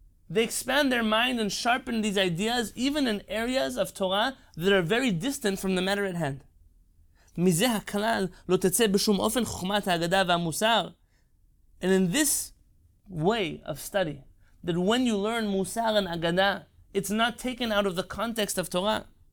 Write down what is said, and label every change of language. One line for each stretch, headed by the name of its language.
English: They expand their mind and sharpen these ideas even in areas of Torah that are very distant from the matter at hand.
Hebrew: מזה הכלל לא תצא בשום אופן חוכמת ההגדה והמוסר.
English: And in this way of study, that when you learn מוסר and הגדה, it's not taken out of the context of Torah.